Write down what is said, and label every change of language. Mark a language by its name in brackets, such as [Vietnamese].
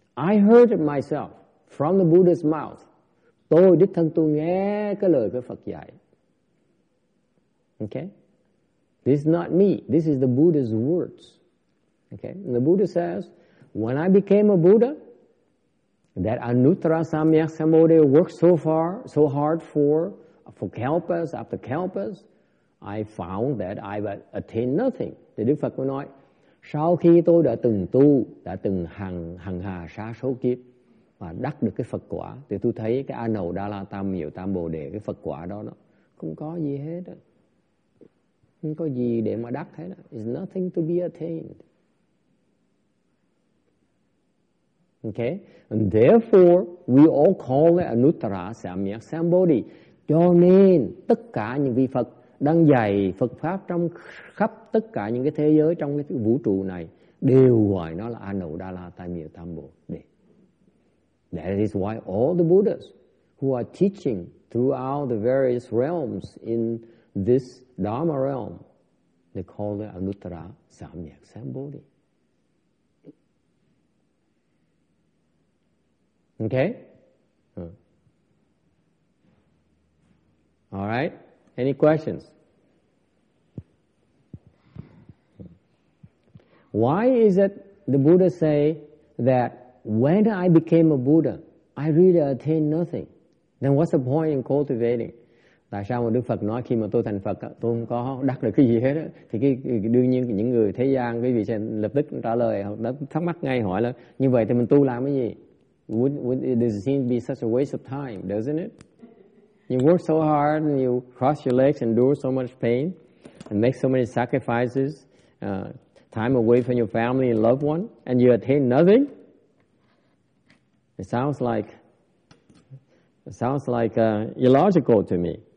[English] I heard it myself from the Buddha's mouth. [Vietnamese] Tôi đích thân tôi nghe cái lời của Phật dạy. [English] Okay? This is not me. This is the Buddha's words. Okay? And the Buddha says, when I became a Buddha, that Anuttara Samyak Sambodhi worked so far, so hard for kalpas, after kalpas, I found that I've attained nothing. [Vietnamese] Thì Đức Phật mới nói, sau khi tôi đã từng tu, đã từng hằng hà sa số kiếp và đắc được cái Phật quả, thì tôi thấy cái A Nậu Đa La Tam Miểu Tam Bồ Đề, cái Phật quả đó, nó không có gì hết đó. Không có gì để mà đắc hết đó. [English] It's nothing to be attained. Okay, and therefore we all call it Anuttara Samyak Sambodhi. [Vietnamese] Cho nên tất cả những vị Phật đang dạy Phật pháp trong khắp tất cả những cái thế giới trong cái vũ trụ này đều gọi nó là A Nậu Đa La Tam Miểu Tam Bồ Đề. [English] That is why all the Buddhas who are teaching throughout the various realms in this Dharma realm, they call it Anuttara Samyak Sambodhi. Okay? All right? Any questions? Why is it the Buddha say that when I became a Buddha, I really attained nothing? Then what's the point in cultivating? [Vietnamese] Tại sao mà Đức Phật nói khi mà tôi thành Phật, tôi không có đắc được cái gì hết? Thì đương nhiên những người thế gian, quý vị sẽ lập tức trả lời, thắc mắc ngay, hỏi là như vậy thì mình tu làm cái gì? [English] Does it seem to be such a waste of time, doesn't it? You work so hard and you cross your legs, endure so much pain and make so many sacrifices, time away from your family and loved one, and you attain nothing? It sounds like illogical to me.